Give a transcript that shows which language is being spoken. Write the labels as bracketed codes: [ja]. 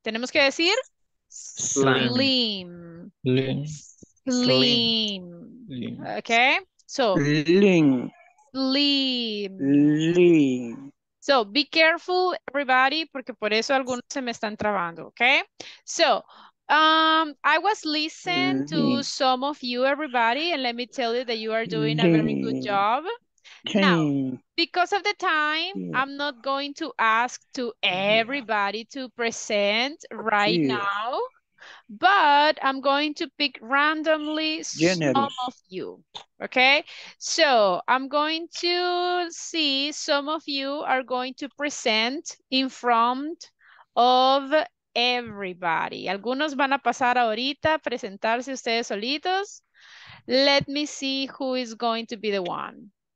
[es] Tenemos que decir slim. [en] Slim. Slim. Slim. Slim. Okay? So, slim. Slim. So, be careful, everybody, [es] porque por eso algunos se me están trabando, okay? [en] So, I was listening to some of you, everybody, and let me tell you that you are doing a very good job. Now, because of the time, I'm not going to ask to everybody to present right now, but I'm going to pick randomly some of you, okay? So I'm going to see some of you are going to present in front of everybody. [es] Algunos van a pasar ahorita a presentarse ustedes solitos. [en] Let me see who is going to be the one.